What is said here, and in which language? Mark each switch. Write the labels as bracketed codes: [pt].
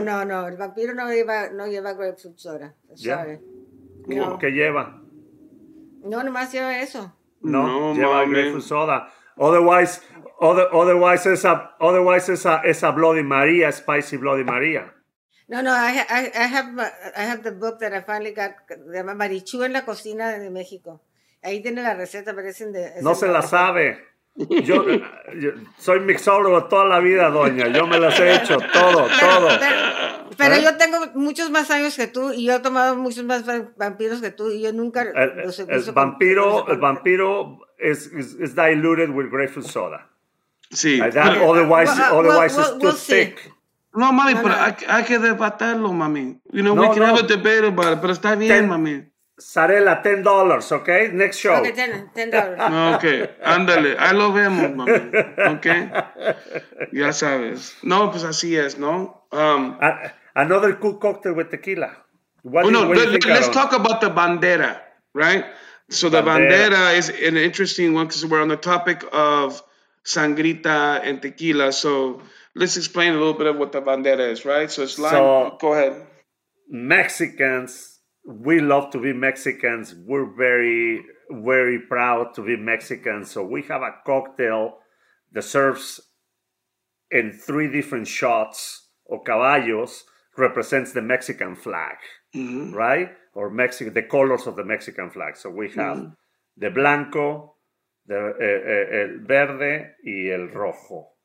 [es] no. El vampiro no lleva grapefruit soda. Sorry. Yeah. No. ¿Qué lleva? No, nomás lleva eso. No, lleva [en] grapefruit soda. Otherwise, it's a Bloody Maria, spicy Bloody Maria. No, I have the book that I finally got. [es] The Marichu en la cocina de México. Ahí tiene la receta, pero es en de. No se la sabe. Yo soy mixólogo toda la vida, doña. Yo me las he hecho todo. Pero yo tengo muchos más años que tú y yo he tomado muchos más vampiros que tú y yo nunca. El vampiro es [en] diluted with grapefruit soda. [es] Sí. [en] Otherwise, it's too thick. [es] No, mami, pero hay que debatirlo, mami. [en] You know, we can have a debate about it, [es] pero está bien, mami. [en] Sarela, $10, okay? Next show. Okay, $10. [es] Okay, ándale. Ahí lo vemos, mami. Okay? Ya sabes. No, pues así es, ¿no? [en] Another cool cocktail with tequila. Let's talk about the bandera, right? So the bandera is an interesting one because we're on the topic of sangrita and tequila. So let's explain a little bit of what the bandera is, right? So it's lime. So go ahead. Mexicans, we love to be Mexicans. We're very, very proud to be Mexicans. So we have a cocktail that serves in three different shots or caballos. Represents the Mexican flag, right? Or Mexican, the colors of the Mexican flag. So we have the blanco, the [es] el verde, y el rojo.